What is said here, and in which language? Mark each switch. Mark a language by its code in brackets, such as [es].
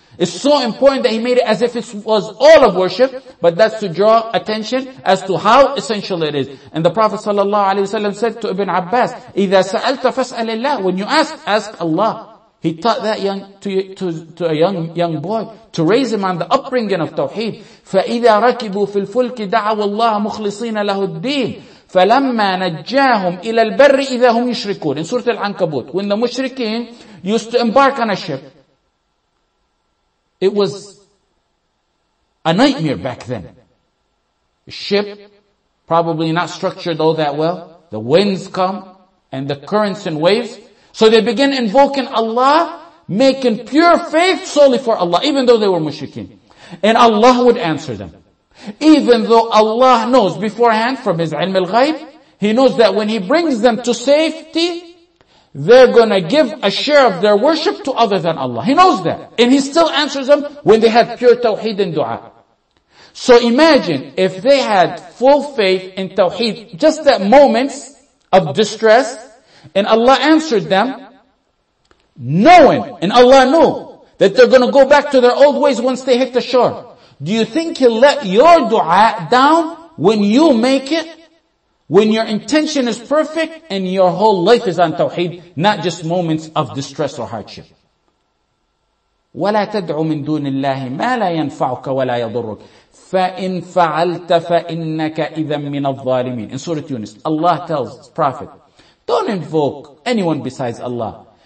[en] It's so important that he made it as if it was all of worship, but that's to draw attention as to how essential it is. And the Prophet sallallahu alaihi wasallam said to Ibn Abbas, [ar] إِذَا سَأَلْتَ فَاسْأَلِ اللَّهِ [en] When you ask, ask Allah. He taught that young boy to raise him on the upbringing of Tawheed. [ar] فَإِذَا رَكِبُوا فِي الْفُلْكِ دَعَوَ اللَّهَ مُخْلِصِينَ لَهُ الدِّينَ فَلَمَّا نَجَّاهُمْ إِلَى الْبَرِّ إِذَا هُمْ يُشْرِكُونَ [en] In Surah Al-Ankabut, when the mushrikeen used to embark on a ship, It was a nightmare back then. The ship, probably not structured all that well. The winds come and the currents and waves. So they begin invoking Allah, making pure faith solely for Allah, even though they were mushrikeen. And Allah would answer them. Even though Allah knows beforehand from His ilm al-ghayb, He knows that when He brings them to safety, they're gonna give a share of their worship to other than Allah. He knows that. And He still answers them when they had pure tawheed and dua. So imagine if they had full faith in tawheed, just at moments of distress, and Allah answered them, knowing, and Allah knew, that they're gonna go back to their old ways once they hit the shore. Do you think He'll let your dua down when you make it? When your intention is perfect and your whole life is on tawheed, not just moments of distress or hardship. [ar] وَلَا تَدْعُ مِن دُونِ اللَّهِ مَا لَا يَنْفَعُكَ وَلَا يَضُرُّكَ فَإِنْ فَعَلْتَ فَإِنَّكَ إِذًا مِنَ الظَّالِمِينَ [en] In Surah Yunus, Allah tells His Prophet, don't invoke anyone besides Allah.